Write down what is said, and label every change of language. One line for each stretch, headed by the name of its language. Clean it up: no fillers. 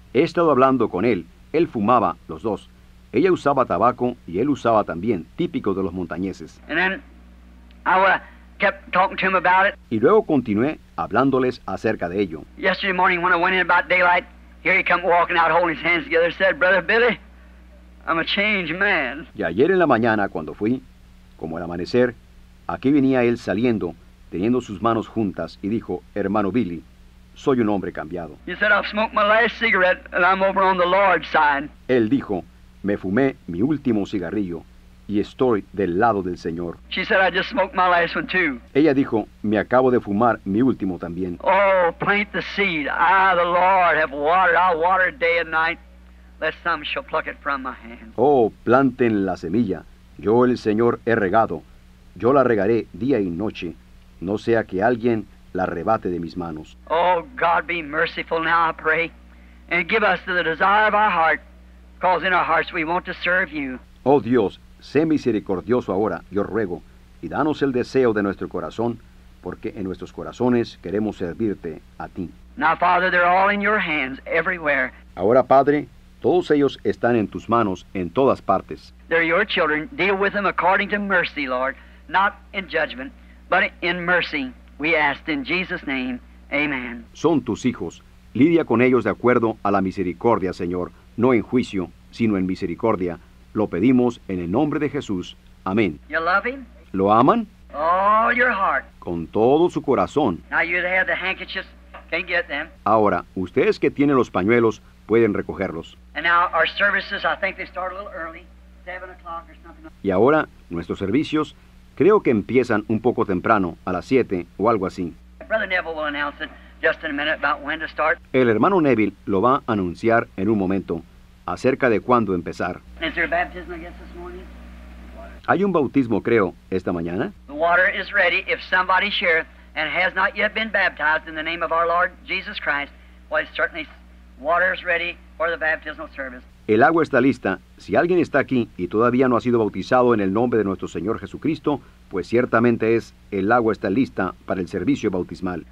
Spanish: He estado hablando con él. Él fumaba los dos. Ella usaba tabaco y él usaba también, típico de los montañeses.
English: And then I kept talking to him about it.
Spanish: Y luego continué hablándoles acerca de ello.
English: Yesterday morning when I went in about daylight, here he come walking out holding his hands together, said, Brother Billy, I'm a changed man.
Spanish: Y ayer en la mañana, cuando fui, como al amanecer, aquí venía él saliendo, teniendo sus manos juntas, y dijo, Hermano Billy, soy un hombre cambiado.
English: He said, I've smoked my last cigarette, and I'm over on the Lord's side.
Spanish: Él dijo, me fumé mi último cigarrillo, y estoy del lado del Señor.
English: She said, I just smoked my last one too.
Spanish: Ella dijo, me acabo de fumar mi último también.
English: Oh, plant the seed. I, the Lord, have watered. I'll water it day and night, lest some shall pluck it from my hand.
Spanish: Oh, planten la semilla. Yo, el Señor, he regado. Yo la regaré día y noche, no sea que alguien la arrebate de mis manos.
English: Oh, God, be merciful now, I pray, and give us the desire of our heart, because in our hearts we want to serve you.
Spanish: Oh, Dios, sé misericordioso ahora, yo ruego, y danos el deseo de nuestro corazón, porque en nuestros corazones queremos servirte a ti.
English: Now, Father, they're all in your hands, everywhere.
Spanish: Ahora, Padre, todos ellos están en tus manos en todas partes.
English: They're your children. Deal with them according to mercy, Lord. Not in judgment, but in mercy. We ask in Jesus' name. Amen.
Spanish: Son tus hijos. Lidia con ellos de acuerdo a la misericordia, Señor. No en juicio, sino en misericordia. Lo pedimos en el nombre de Jesús. Amén.
English: You love him?
Spanish: ¿Lo aman?
English: All your heart.
Spanish: Con todo su corazón.
English: Now you have the handkerchiefs. Can't get them.
Spanish: Ahora, ustedes que tienen los pañuelos, pueden recogerlos.
English: And now our services, I think they start a little early. 7 o'clock or something.
Spanish: Y ahora, nuestros servicios, creo que empiezan un poco temprano, a las 7 o algo así.
English: Brother Neville will announce it just in a minute about when to start.
Spanish: El hermano Neville lo va a anunciar en un momento, acerca de cuándo empezar.
English: Is there a baptism, I guess, this morning?
Spanish: ¿Hay un bautismo, creo, esta mañana?
English: The water is ready if somebody shares and has not yet been baptized in the name of our Lord Jesus Christ. Well, it's certainly water is ready for the baptismal service.
Spanish: El agua está lista. Si alguien está aquí y todavía no ha sido bautizado en el nombre de nuestro Señor Jesucristo, pues ciertamente es, el agua está lista para el servicio bautismal.